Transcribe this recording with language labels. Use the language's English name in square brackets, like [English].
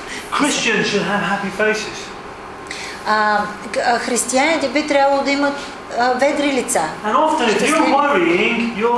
[English] Christians should have happy faces. [Bulgarian] Християните би трябвало да имат ведри лица. [English] And often, if you're worrying, your